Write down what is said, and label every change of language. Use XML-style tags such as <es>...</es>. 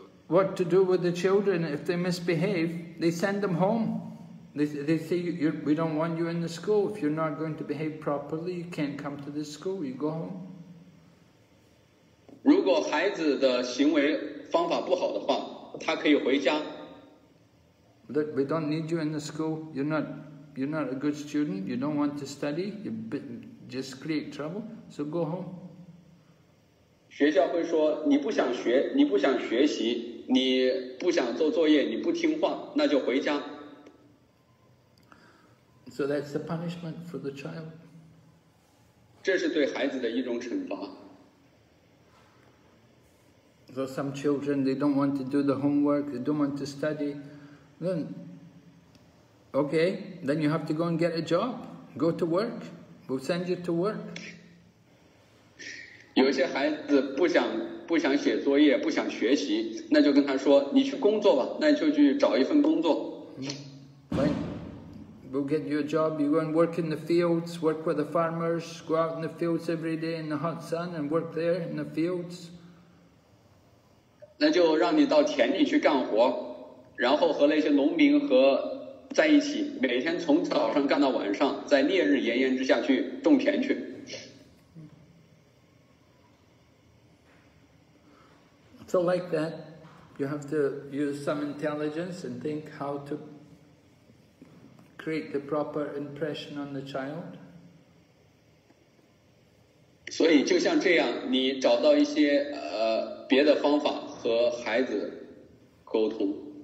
<en>What to do with the children if they misbehave? They send them home. They say, we don't want you in the school. If you're not going to behave properly, you can't come to this school. You go home.</en> <zh>如果孩子的行为方法不好的话，他可以回家。</zh> <en>Look, we don't need you in the school. You're not a good student. You don't want to study. You just create trouble. So go home.</en> <zh>学校会说，你不想学，你不想学习。你不想做作业，你不听话，那就回家。</zh> <en>So that's the punishment for the child.</en> <zh>这是对孩子的一种惩罚。</zh> <en>So some children, they don't want to do the homework, they don't want to study. Then, okay, then you have to go and get a job. Go to work. We'll send you to work.</en> <zh>有些孩子不想写作业，不想学习，那就跟他说：“你去工作吧，那就去找一份工作。”</zh> <en>Right. We'll get you a job. You go and work in the fields, work with the farmers, go out in the fields every day in the hot sun and work there in the fields.</en> <zh>那就让你到田里去干活，然后和那些农民和在一起，每天从早上干到晚上，在烈日炎炎之下去种田去。</zh> <en>So like that, you have to use some intelligence and think how to create the proper impression on the child.</en> <zh>所以就像这样，你找到一些别的方法和孩子沟通。</zh>